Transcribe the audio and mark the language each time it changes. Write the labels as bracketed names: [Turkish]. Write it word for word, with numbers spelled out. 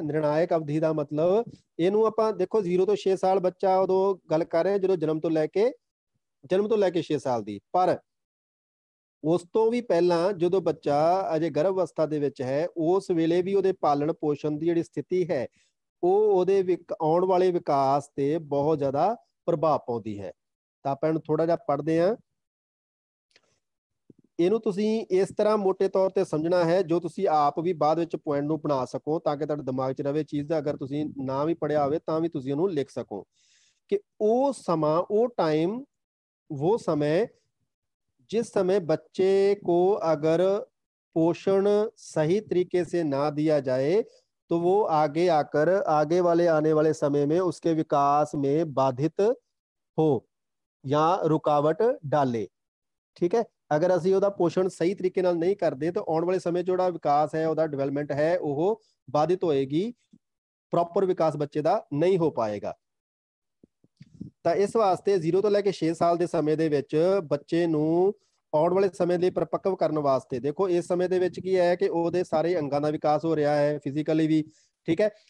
[Punjabi] ਨਿਰਣਾਇਕ ਅਵਧੀ ਦਾ ਮਤਲਬ ਇਹਨੂੰ ਆਪਾਂ ਦੇਖੋ, ਜ਼ੀਰੋ ਤੋਂ ਛੇ ਸਾਲ ਬੱਚਾ ਉਦੋਂ ਗੱਲ ਕਰ ਰਿਹਾ ਜਦੋਂ ਜਨਮ ਤੋਂ ਲੈ ਕੇ ਜਨਮ ਤੋਂ ਲੈ ਕੇ ਛੇ ਸਾਲ ਦੀ, ਪਰ ਉਸ ਤੋਂ ਵੀ ਪਹਿਲਾਂ ਜਦੋਂ ਬੱਚਾ ਅਜੇ ਗਰਭ ਅਵਸਥਾ ਦੇ ਵਿੱਚ ਹੈ ਉਸ ਵੇਲੇ ਵੀ ਉਹਦੇ ਪਾਲਣ ਪੋਸ਼ਣ ਦੀ ਜਿਹੜੀ ਸਥਿਤੀ ਹੈ ਉਹ ਉਹਦੇ ਵਿਕ- ਆਉਣ ਵਾਲੇ ਵਿਕਾਸ ਤੇ ਬਹੁਤ ਜ਼ਿਆਦਾ ਪ੍ਰਭਾਵ ਪਾਉਂਦੀ ਹੈ। ਤਾਂ ਆਪਾਂ ਇਹਨੂੰ ਥੋੜਾ ਜਿਹਾ ਪੜ੍ਹਦੇ ਹਾਂ। ਇਹਨੂੰ ਤੁਸੀਂ ਇਸ ਤਰ੍ਹਾਂ ਮੋٹے ਤੌਰ ਤੇ ਸਮਝਣਾ ਹੈ ਜੋ ਤੁਸੀਂ ਆਪ ਵੀ ਬਾਅਦ ਵਿੱਚ ਪੁਆਇੰਟ ਨੂੰ ਬਣਾ ਸਕੋ ਤਾਂ ਕਿ ਤੁਹਾਡੇ ਦਿਮਾਗ 'ਚ ਰਵੇ ਚੀਜ਼ ਦਾ। ਅਗਰ ਤੁਸੀਂ ਨਾ ਵੀ ਪੜਿਆ ਹੋਵੇ ਤਾਂ ਵੀ ਤੁਸੀਂ ਉਹਨੂੰ ਲਿਖ ਸਕੋ ਕਿ ਉਹ ਸਮਾਂ, ਉਹ ਟਾਈਮ, [Hindi] वो समय जिस समय बच्चे को अगर पोषण सही तरीके से ना दिया जाए तो वो आगे आकर आगे वाले आने वाले समय में उसके विकास में बाधित हो या रुकावट डाले। [Punjabi] ਠੀਕ ਹੈ, ਅਗਰ ਅਸੀਂ ਉਹਦਾ ਪੋਸ਼ਣ ਸਹੀ ਤਰੀਕੇ ਨਾਲ ਨਹੀਂ ਕਰਦੇ ਤਾਂ ਆਉਣ ਵਾਲੇ ਸਮੇਂ 'ਚ ਜਿਹੜਾ ਵਿਕਾਸ ਹੈ, ਉਹਦਾ ਡਿਵੈਲਪਮੈਂਟ ਹੈ, ਉਹ ਬਾਧਿਤ ਹੋਏਗੀ, ਪ੍ਰੋਪਰ ਵਿਕਾਸ ਬੱਚੇ ਦਾ ਨਹੀਂ ਹੋ ਪਾਏਗਾ। ਤਾਂ ਇਸ ਵਾਸਤੇ ਜ਼ੀਰੋ ਤੋਂ ਲੈ ਕੇ ਛੇ ਸਾਲ ਦੇ ਸਮੇਂ ਦੇ ਵਿੱਚ ਬੱਚੇ ਨੂੰ ਆਉਣ ਵਾਲੇ ਸਮੇਂ ਲਈ ਪਰਪੱਕਵ ਕਰਨ ਵਾਸਤੇ, ਦੇਖੋ ਇਸ ਸਮੇਂ ਦੇ ਵਿੱਚ ਕੀ ਹੈ ਕਿ ਉਹਦੇ ਸਾਰੇ ਅੰਗਾਂ ਦਾ ਵਿਕਾਸ ਹੋ ਰਿਹਾ ਹੈ, ਫਿਜ਼ੀਕਲੀ ਵੀ, ਠੀਕ ਹੈ।